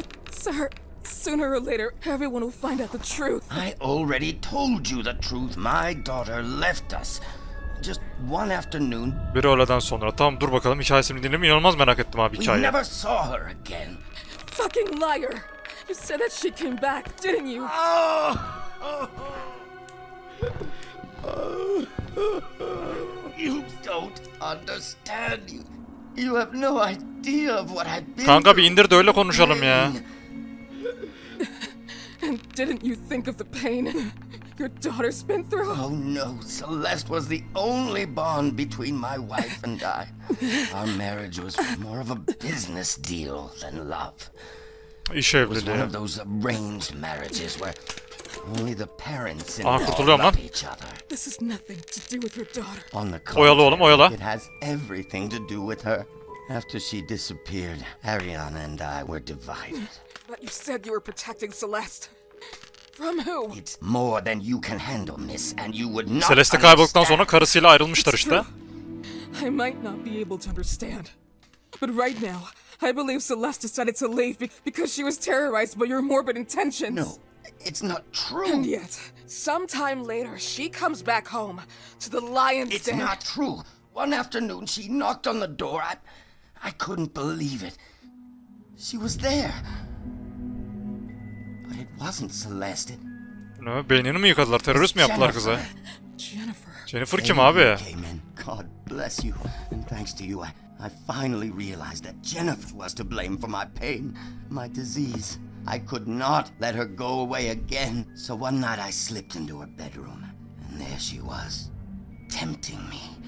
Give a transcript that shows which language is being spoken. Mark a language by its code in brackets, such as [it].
[en] Sir, sooner or later everyone will find out the truth. I already told you the truth. My daughter left us. Just one afternoon. [tr] Bir öğleden sonra. Tamam dur bakalım hikayesini dinleme. İnanılmaz merak ettim abi hikayeyi. [en] We never saw her again. Fucking liar. You said that she came back, didn't you? You don't understand. You have no idea of what I've been. [tr] Kanka bir indir de öyle konuşalım ya. [en] And didn't you think of the pain your daughter's been through? Oh no, Celeste was the only bond between my wife and I. Our marriage was more of a business deal than love. [tr] İş evliliği. [en] It was one of those arranged marriages where only the parents involved love each other. This has nothing to do with your daughter. On the contrary, [tr] oyalı oğlum, oyalı. [en] It has everything to do with her. After she disappeared, Ariana and I were divided. But you said you were protecting Celeste. From who? It's more than you can handle, miss, and you would not. [tr] Celeste kaybolduktan sonra karısıyla ayrılmışlar işte. [en] I might not be able to understand. But right now, I believe Celeste decided to leave because she was terrorized by your morbid intentions. No, it's not true. And yet, sometime later, she comes back home to the lion's den. It's not true. One afternoon, she knocked on the door. I couldn't believe it. She was there. Wasn't Celeste? [tr] Ne, beynini mi yıkadılar? Terörist mi yaptılar kıza? Jennifer kim abi? [en] God bless you and thanks to you I finally realized that Jennifer was to blame for my pain, my disease. I could not let her go away again. So one night I slipped into her bedroom and there she was, tempting me.